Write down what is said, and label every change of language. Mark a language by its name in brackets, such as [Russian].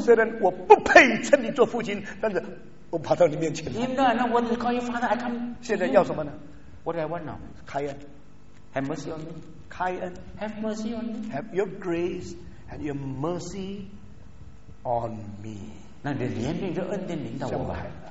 [Chinese] 虽然我不配称你做父亲，但是我跑到你面前。 [English] Even though I'm not worthy to call you father, I come. [Chinese] 现在要什么呢 [English] ？What do I want now? [Chinese] 开恩。 [English] Have mercy on me. [Chinese] 开恩。 [English] Have mercy on me. Have your grace and your mercy on me. [Chinese] 那你的怜悯就恩典临到我吧。